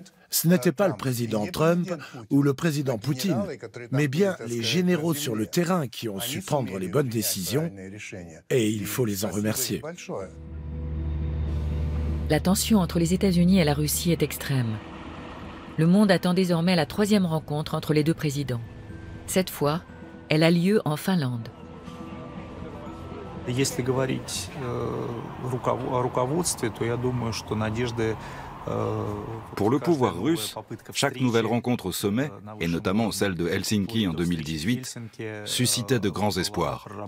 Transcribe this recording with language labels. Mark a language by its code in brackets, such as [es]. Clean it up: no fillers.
[fr] Ce n'était pas le président Trump ou le président Poutine, mais bien les généraux sur le terrain qui ont su prendre les bonnes décisions, et il faut les en remercier. La tension entre les États-Unis et la Russie est extrême. Le monde attend désormais la troisième rencontre entre les deux présidents. Cette fois, elle a lieu en Finlande. [ru] Если говорить о руководстве, то я думаю, что надежды. [fr] Pour le pouvoir russe, chaque nouvelle rencontre au sommet, et notamment celle de Helsinki en 2018, suscitait de grands espoirs.